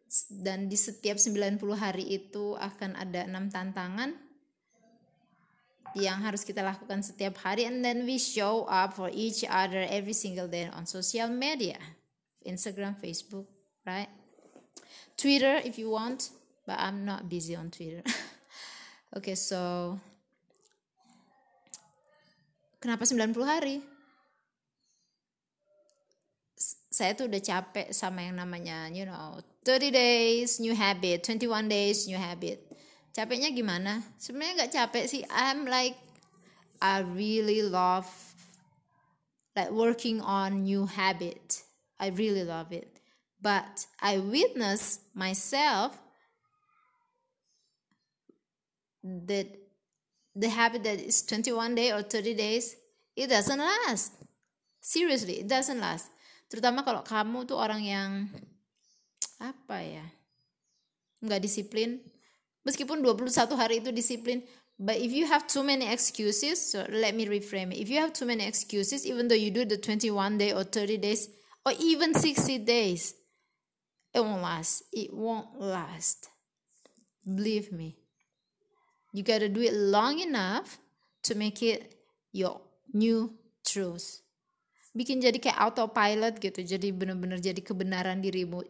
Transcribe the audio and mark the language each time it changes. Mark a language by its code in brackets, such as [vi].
[id] Dan di setiap 90 hari itu akan ada 6 tantangan yang harus kita lakukan setiap hari. [en] And then we show up for each other every single day on social media. Instagram, Facebook, right? Twitter if you want. But I'm not busy on Twitter. Okay, so [id] kenapa 90 hari? Saya tuh udah capek sama yang namanya, [en] you know, 30 days new habit, [id] 21 days new habit. Capeknya gimana? Sebenarnya gak capek sih. [en] I'm like, I really love like working on new habit. I really love it. But I witness myself that the habit that is 21 day or 30 days, it doesn't last. Seriously, it doesn't last. [id] Terutama kalau kamu tuh orang yang apa ya, nggak disiplin. Meskipun 21 hari itu disiplin, [en] but if you have too many excuses, so let me reframe it. If you have too many excuses, even though you do the 21 day or 30 days or even 60 days, it won't last. It won't last. Believe me. You gotta do it long enough to make it your new truth. [id] Bikin jadi kayak autopilot gitu. Jadi benar-benar jadi kebenaran dirimu.